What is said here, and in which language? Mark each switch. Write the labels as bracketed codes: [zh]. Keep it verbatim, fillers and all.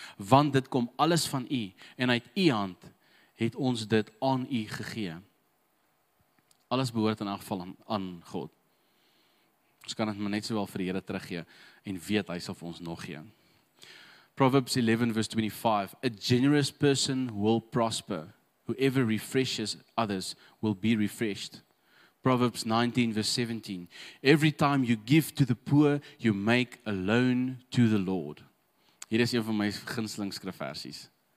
[af] Want dit kom alles van U, en uit U hand het ons dit aan U gegee. Alles behoort in elk geval aan, aan God. Ons kan dit maar net sowel vir die Here teruggee, en weet hy sal vir ons nog gee. [en] Proverbs eleven verse twenty-five, a generous person will prosper. Whoever refreshes others will be refreshed. Proverbs nineteen verse seventeen, every time you give to the poor, you make a loan to the Lord. [af] Hier is een van my gunsteling skrifversies.